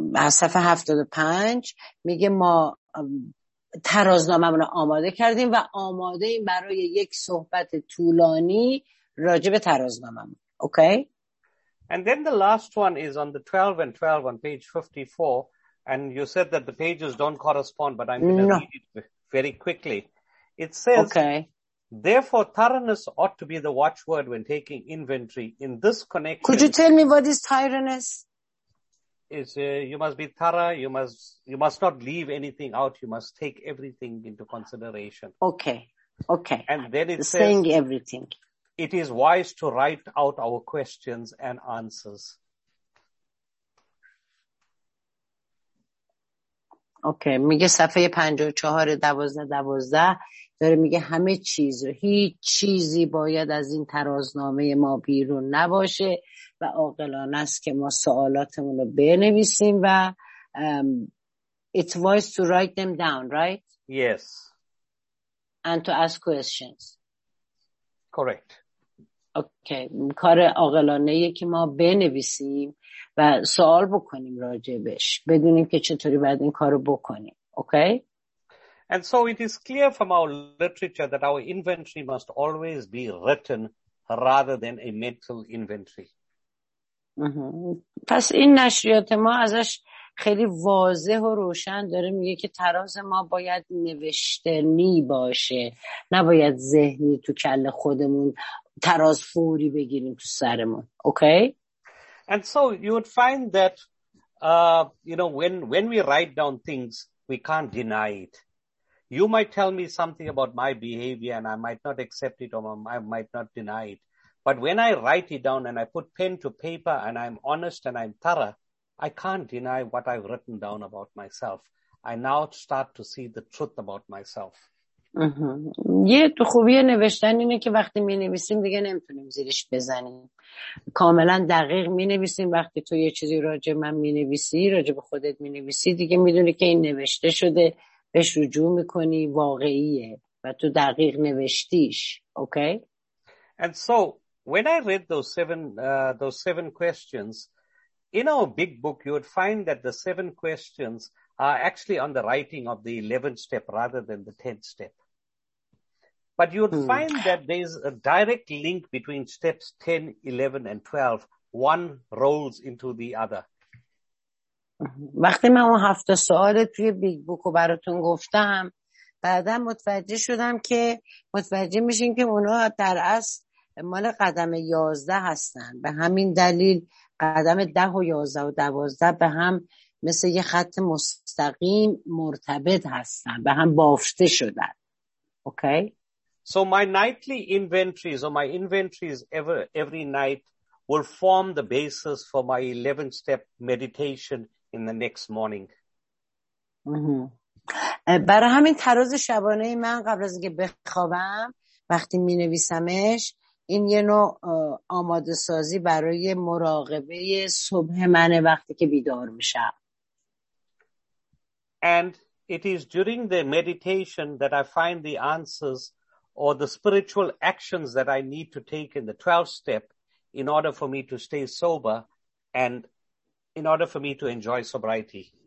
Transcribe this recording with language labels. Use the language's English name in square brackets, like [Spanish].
[Persian] صفحه 75 میگه ما ترازنامه‌مون رو آماده کردیم و آماده ایم برای یک صحبت طولانی راجع به ترازنامه‌مون. [English] Okay. And then the last one is on the 12 and 12 on page 54. And you said that the pages don't correspond, but I'm going to read it very quickly. It says, okay. Therefore, thoroughness ought to be the watchword when taking inventory in this connection. Could you tell me what is thoroughness? Is you must be thorough. You must not leave anything out. You must take everything into consideration. Okay. And then it says, saying everything. It is wise to write out our questions and answers. Okay okay. [Persian] میگه صفحه 54 12 داره میگه همه چیز و هیچ چیزی باید از این ترازنامه ما بیرون نباشه و عاقلانه است که ما سوالاتمون رو بنویسیم و [English] it's wise to write them down right yes and to ask questions correct [Persian] اوکی کار عاقلانه ای که ما بنویسیم و سوال بکنیم راجع بهش بدونیم که چطوری باید این کارو بکنیم اوکی [English] and so it is clear from our literature that our inventory must always be written rather than a mental inventory [Persian] پس این نشریات ما ازش خیلی واضح و روشن داره میگه که تراز ما باید نوشتنی باشه نباید ذهنی تو کل خودمون تراز فوری بگیریم تو سرمون اوکی [English] And so you would find that, you know, when we write down things, we can't deny it. You might tell me something about my behavior and I might not accept it or I might not deny it. But when I write it down and I put pen to paper and I'm honest and I'm thorough, I can't deny what I've written down about myself. I now start to see the truth about myself. [Persian] یه تو خوبی نوشتن اینه که وقتی می نویسیم دیگه نمیتونیم زیرش بزنیم کاملا دقیق می نویسیم وقتی تو یه چیزی راجع من می نویسی راجع به خودت می نویسی دیگه می دونی که این نوشته شده بهش رجوع می کنی واقعیه و تو دقیق نوشتیش اوکی [English] and so when I read those seven questions in our big book you would find that the seven questions are actually on the writing of the 11th step rather than the 10th step. But you would find that there is a direct link between steps 10, 11, and 12. One rolls into the other. [Persian] وقتی من اون هفته سوال توی بیگ بوک رو براتون گفتم بعدم متوجه شدم که متوجه میشین که اونا در اصل مال قدم 11 هستن به همین دلیل قدم 10 و 11 و 12 به هم مثل یه خط مستقیم مرتبط هستن به هم بافته شدن اوکی [English] So my nightly inventories or my inventories every night will form the basis for my 11 step meditation in the next morning [Persian] برای همین تراز شبانه من قبل از اینکه بخوابم وقتی می نویسمش این یه نوع آماده سازی برای مراقبه صبح من وقتی که بیدار میشم [English] And it is during the meditation that I find the answers or the spiritual actions that I need to take in the 12th step in order for me to stay sober and in order for me to enjoy sobriety.